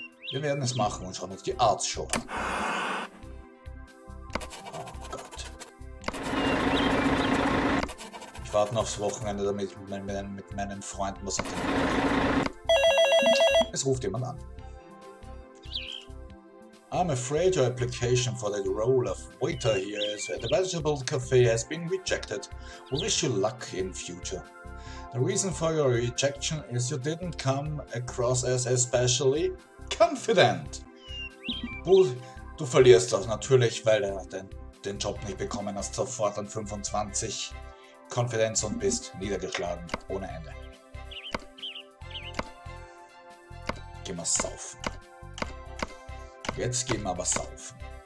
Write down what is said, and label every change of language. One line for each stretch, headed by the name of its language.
German: Wir werden es machen und schauen uns die Arts-Show an. Warten aufs Wochenende, damit ich mit meinen Freunden was unternehmen kann. Es ruft jemand an.
English: I'm afraid your application for the role of waiter here is at the Vegetable Cafe has been rejected. We wish you luck in future. The reason for your rejection is you didn't come across as especially confident.
German: Du verlierst das natürlich, weil du den Job nicht bekommen hast, sofort an 25 Konfidenz und bist niedergeschlagen ohne Ende. Gehen wir saufen. Jetzt gehen wir aber saufen.